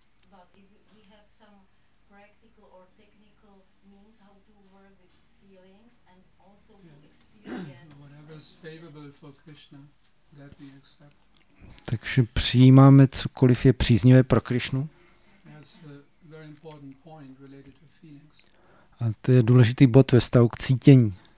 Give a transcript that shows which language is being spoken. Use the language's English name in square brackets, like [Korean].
[English] But if we have some practical or technical means how to work with feelings and also experience. Whatever is favorable for Krishna, that we accept. [Czech] Takže přijímáme cokoliv je příznivé pro Krishnu. [English] That's a very important point related to feelings. [Czech] A to je důležitý bod ve vztahu k cítění.